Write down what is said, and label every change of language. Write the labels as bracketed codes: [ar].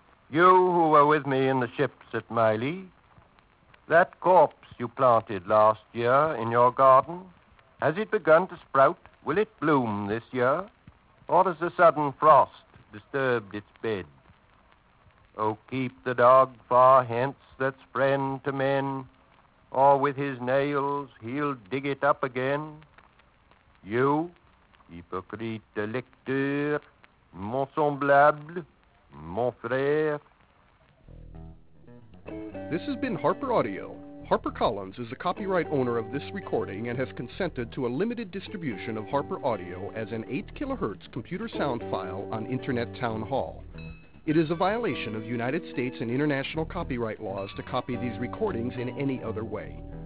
[en] You who were with me in the ships at Miley, that corpse you planted last year in your garden, has it begun to sprout Will it bloom this year? Or has a sudden frost disturbed its bed? Oh, keep the dog far hence that's friend to men, or with his nails he'll dig it up again. [fr] You, hypocrite lecteur, mon semblable, mon frère. [en] This has been Harper Audio. HarperCollins is a copyright owner of this recording and has consented to a limited distribution of Harper Audio as an 8 kHz computer sound file on Internet Town Hall. It is a violation of United States and international copyright laws to copy these recordings in any other way.